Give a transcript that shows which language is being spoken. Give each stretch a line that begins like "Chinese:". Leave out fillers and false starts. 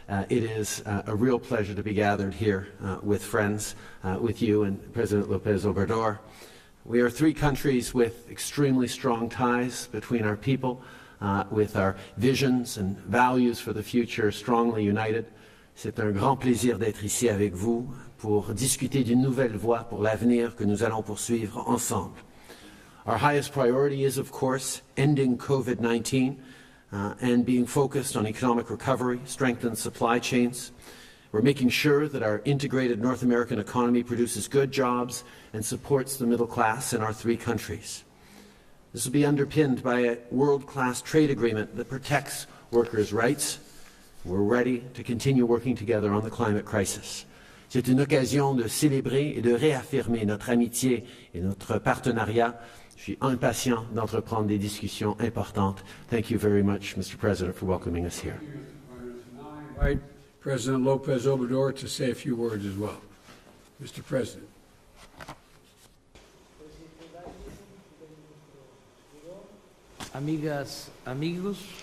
English: It is a real pleasure to be gathered here with friends, with you and President Lopez Obrador. We are three countries with extremely strong ties between our people, with our visions and values for the future strongly united.
French: C'est un grand plaisir d'être ici avec vous pour discuter d'une nouvelle voie pour l'avenir que nous allons poursuivre ensemble.
English: Our highest priority is, of course, ending COVID-19. And being focused on economic recovery, strengthened supply chains. We're making sure that our integrated North American economy produces good jobs and supports the middle class in our three countries. This will be underpinned by a world-class trade agreement that protects workers' rights. We're ready to continue working together on the climate crisis.
French: C'est une occasion de célébrer et de réaffirmer notre amitié et notre partenariat. Je suis impatient d'entreprendre des discussions importantes.
English: Thank you very much, Mr. President, for welcoming us here. I invite President Lopez Obrador to say a few words as well. Mr. President.
Spanish: Amigas, amigos.